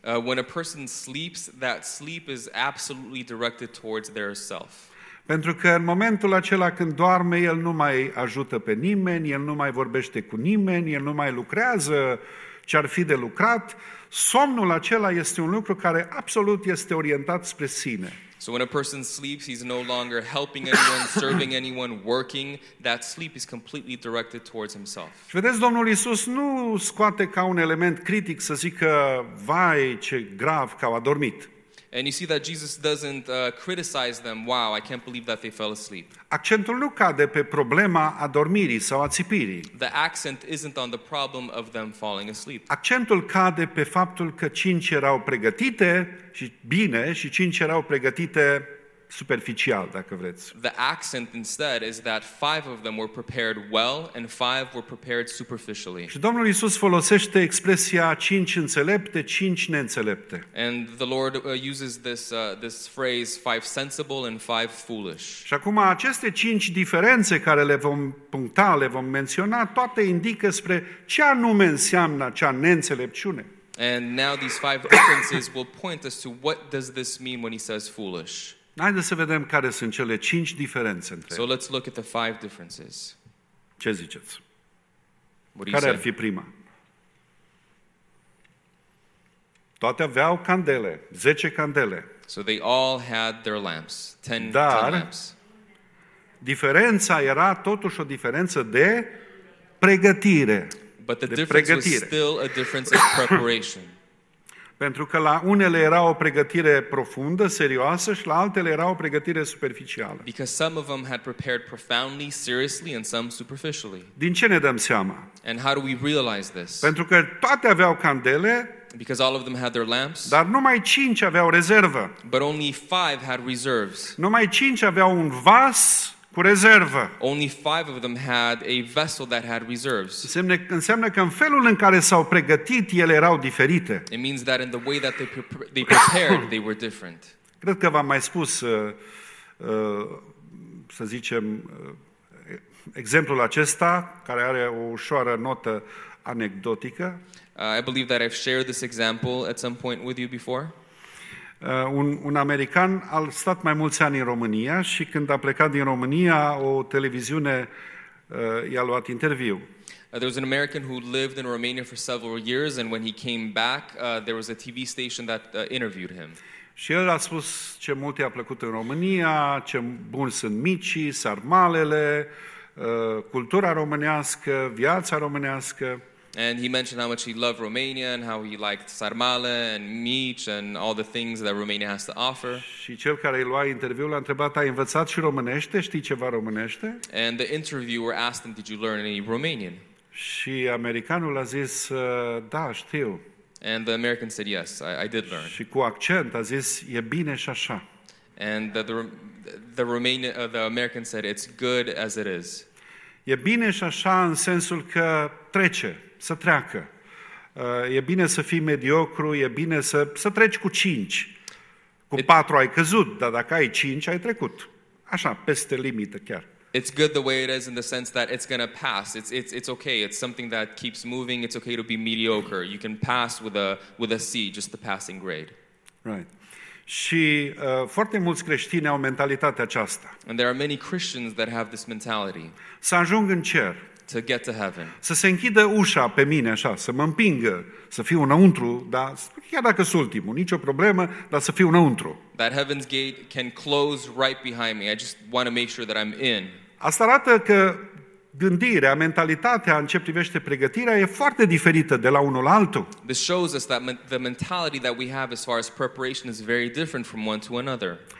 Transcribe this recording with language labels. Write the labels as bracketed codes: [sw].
[en] When a person sleeps, that sleep is absolutely directed towards their self. [ro] Pentru că în momentul acela când doarme, el nu mai ajută pe nimeni, el nu mai vorbește cu nimeni, el nu mai lucrează ce ar fi de lucrat. Somnul acela este un lucru care absolut este orientat spre sine. [en] So when a person sleeps, he's no longer helping anyone, serving anyone, working. That sleep is completely directed towards himself. [ro] Și vedeți, Domnul Iisus nu scoate ca un element critic să zică, vai, ce grav că au adormit. [en] And you see that Jesus doesn't criticize them. Wow, I can't believe that they fell asleep. [ro] Accentul nu cade pe problema adormirii sau ațipirii. [en] The accent isn't on the problem of them falling asleep. [ro] Accentul cade pe faptul că cinci erau pregătite și bine și cinci erau pregătite superficial, dacă vreți. [en] The accent instead is that five of them were prepared well and five were prepared superficially. [ro] Și Domnul Iisus folosește expresia cinci înțelepte, cinci neînțelepte. [en] And the Lord uses this phrase five sensible and five foolish. [ro] Și acum aceste cinci diferențe care le vom puncta, le vom menționa, toate indică spre ce anume înseamnă acea neînțelepciune. [en] And now these five differences will point us to what does this mean when he says foolish. [ro] Haideți să vedem care sunt cele cinci diferențe între ele. [en] So let's look at the five differences. [ro] Ce ziceți? Care ar fi prima? Toate aveau candele, 10 candele. [en] So they all had their lamps, 10 lamps. [ro] Diferența era totuși o diferență de pregătire. [en] But the difference was still a difference of preparation. [ro] Pentru că la unele era o pregătire profundă, serioasă și la altele era o pregătire superficială. [en] Because some of them had prepared profoundly, seriously and some superficially. [ro] Din ce ne dăm seama? [en] And how do we realize this? [ro] Pentru că toate aveau candele. [en] Because all of them had their lamps. [ro] Dar numai 5 aveau rezervă. [en] But only 5 had reserves. [ro] Numai 5 aveau un vas cu rezervă. [en] Only 5 of them had a vessel that had reserves. [ro] Înseamnă că în felul în care s-au pregătit, ele erau diferite. [en] It means that in the way that they prepared, they were different. [ro] Cred că v-am mai spus, să zicem, exemplul acesta, care are o ușoară notă anecdotică. [en] I believe that I've shared this example at some point with you before. [ro] Un american a stat mai mulți ani în România și când a plecat din România, o televiziune i-a luat interviu. [en] There was an American who lived in Romania for several years and when he came back, there was a TV station that interviewed him. [ro] Și el a spus ce mult i-a plăcut în România, ce buni sunt micii, sarmalele, cultura românească, viața românească. [en] And he mentioned how much he loved Romania and how he liked sarmale and mici and all the things that Romania has to offer. [ro] Și cel care îi lua interviul l-a întrebat, ai învățat și românește? Știi ceva românește? [en] And the interviewer asked him, did you learn any Romanian? [ro] Și americanul a zis, da, știu. [en] And the American said, yes, I did learn. [ro] Și cu accent a zis, e bine și așa. [en] And the American said, it's good as it is. [ro] E bine și așa în sensul că trece. Să treacă. E bine să fii mediocru, e bine să treci cu 5. Cu 4 ai căzut, dar dacă ai 5 ai trecut. Așa, peste limită chiar. [en] It's good the way it is in the sense that it's going to pass. It's okay. It's something that keeps moving. It's okay to be mediocre. You can pass with a C, just the passing grade. Right. [ro] Și foarte mulți creștini au mentalitatea aceasta. [en] And there are many Christians that have this mentality. [ro] Să ajung în cer. [en] To get to heaven. [ro] Să se închidă ușa pe mine așa, să mă împingă, să fiu înăuntru, dar chiar dacă sunt ultimul, nicio problemă, dar să fiu înăuntru. [en] That heaven's gate can close right behind me. I just want to make sure that I'm in. [ro] Asta arată că gândirea, mentalitatea în ce privește pregătirea e foarte diferită de la unul la altul. [en] This shows us that the mentality that we have as far as preparation is very different from one to another.